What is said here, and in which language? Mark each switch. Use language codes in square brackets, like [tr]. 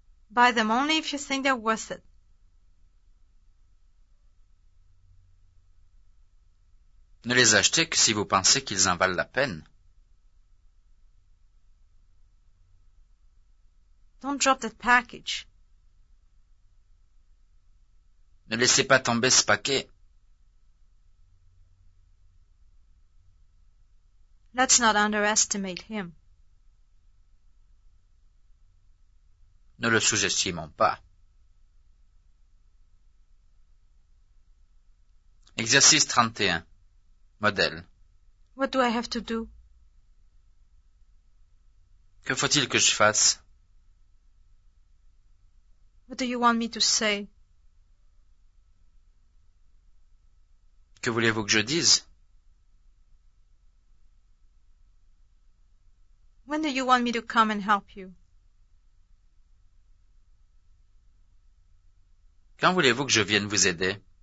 [en] Buy them only if you think they're worth it. [fr] Ne les achetez que si vous pensez qu'ils en valent la peine. [en] Don't drop that package. [fr] Ne laissez pas tomber ce paquet. [en] Let's not underestimate him. [fr] Ne le sous-estimons pas. Exercice 31. Modèle. [en] What do I have to do? [fr] Que faut-il que je fasse? [en] What do you want me to say? [fr] Que voulez-vous que je dise? [en] When do you want me to come and help you? [fr] Quand voulez-vous que je vienne vous aider?